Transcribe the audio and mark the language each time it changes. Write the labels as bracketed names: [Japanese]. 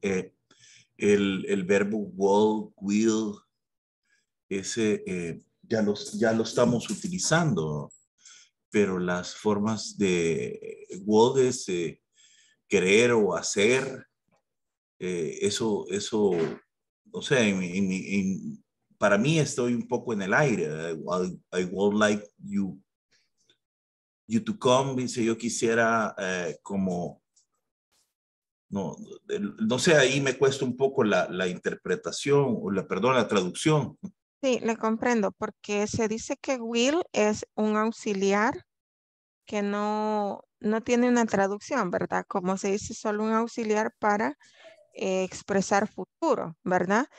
[Spanish] El verbo walk, will, ese ya lo estamos utilizando, pero las formas de walk es creer o hacer, eso no sé, para mí estoy un poco en el aire. [English] I would like you to come, [Spanish] dice, yo quisiera como... No sé, ahí me cuesta un poco la interpretación, o la traducción. Sí, le comprendo, porque se dice que will es un auxiliar que no tiene una traducción, ¿verdad? Como se dice, solo un auxiliar para expresar futuro, ¿verdad?